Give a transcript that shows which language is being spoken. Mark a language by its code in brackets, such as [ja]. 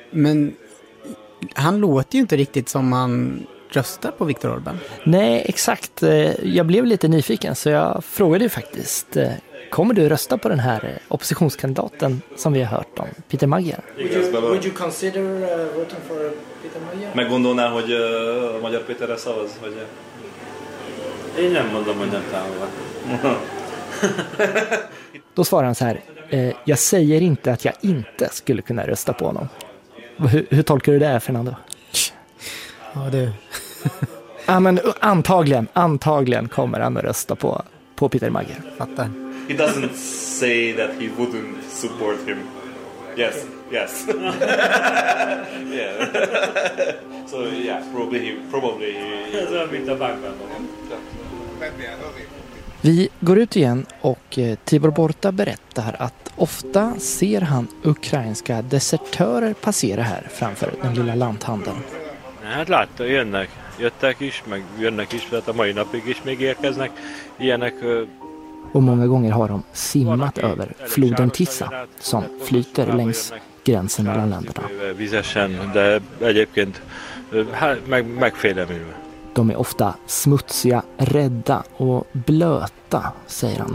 [sv] Men han låter ju inte riktigt som man röstar på Viktor Orbán. Nej, exakt. Jag blev lite nyfiken så jag frågade ju faktiskt, kommer du rösta på den här oppositionskandidaten som vi har hört om, Peter Magyar? [en] Would you consider voting for Peter Magyar? [hu] Meg gondolná, hogy Magyar Péterre szavaz, vagy? Én nem mondom, hogy nem támogat. [sv] Då svarar han så här, jag säger inte att jag inte skulle kunna rösta på honom. Hur tolkar du det, Fernando? Ja, du. Ja, men antagligen kommer han att rösta på Peter Magyar. Fattar. [en] He doesn't say that he wouldn't support him. Yes, yes. Yeah. So yeah, probably. [sv] Vi går ut igen och Tibor Borta berättar att ofta ser han ukrainska desertörer passera här framför den lilla lanthandeln. [hu] Hát látta, jönnek, jöttek is, meg jönnek is, tehát a mai napig is még érkeznek. Ilyenek. [sv] Och många gånger har de simmat över floden Tisza som flyter längs gränsen mellan länderna. De är ofta smutsiga, rädda och blöta, säger han.